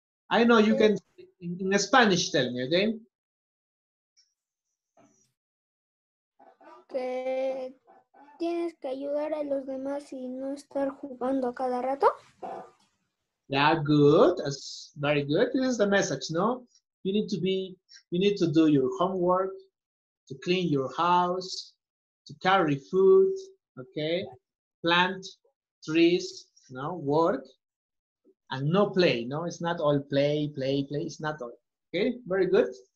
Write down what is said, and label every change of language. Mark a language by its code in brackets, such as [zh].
[en] I know you can, in Spanish, tell me, okay? [es] Que tienes que ayudar a los demás y no estar jugando a cada rato. [en] Yeah, good. That's very good. This is the message, no? You need to do your homework, to clean your house, to carry food, okay? Plant trees, no? Work, and no play, no? It's not all play, it's not all. Okay, very good.